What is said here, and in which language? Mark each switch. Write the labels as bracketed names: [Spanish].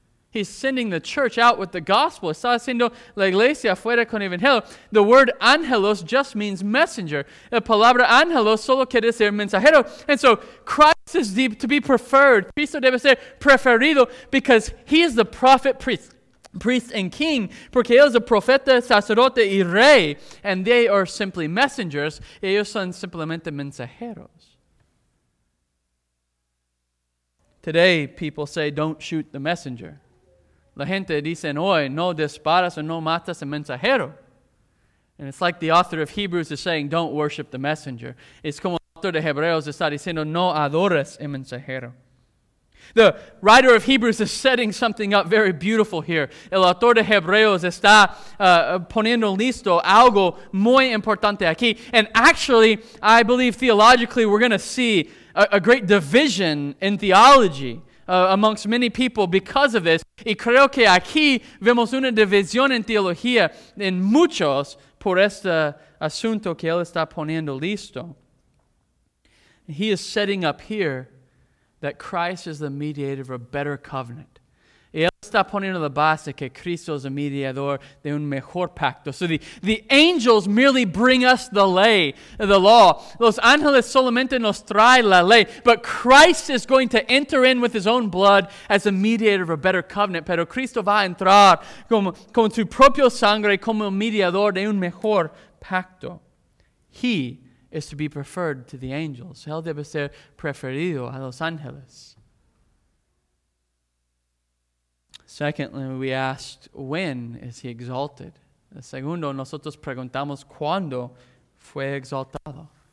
[English] He's sending the church out with the gospel. [Spanish] Está haciendo la iglesia afuera con el evangelio. [English] The word angelos just means messenger. [Spanish] La palabra angelos solo quiere decir mensajero. [English] And so Christ is deep to be preferred. [Spanish] Cristo debe ser preferido [English] because he is the prophet, priest, and king. [Spanish] Porque él es el profeta, sacerdote, y rey. [English] And they are simply messengers. [Spanish] Ellos son simplemente mensajeros. [English] Today, people say, don't shoot the messenger. [Spanish] La gente dicen hoy, no disparas o no matas el mensajero. [English] And it's like the author of Hebrews is saying, don't worship the messenger. [Spanish] Es como el autor de Hebreos está diciendo, no adores el mensajero. [English] The writer of Hebrews is setting something up very beautiful here. [Spanish] El autor de Hebreos está poniendo listo algo muy importante aquí. [English] And actually, I believe theologically we're going to see a great division in theology amongst many people because of this. [Spanish] Y creo que aquí vemos una división en teología en muchos por este asunto que él está poniendo listo. [English] He is setting up here that Christ is the mediator of a better covenant. [Spanish] Y él está poniendo la base que Cristo es el mediador de un mejor pacto. [English] So the angels merely bring us the ley, the law. [Spanish] Los ángeles solamente nos trae la ley. [English] But Christ is going to enter in with his own blood as a mediator of a better covenant. [Spanish] Pero Cristo va a entrar con su propio sangre como mediador de un mejor pacto. [English] He is to be preferred to the angels. [Spanish] Él debe ser preferido a los ángeles. [English] Secondly, we asked, when is he exalted? [Spanish] Segundo, nosotros preguntamos, ¿cuándo fue exaltado?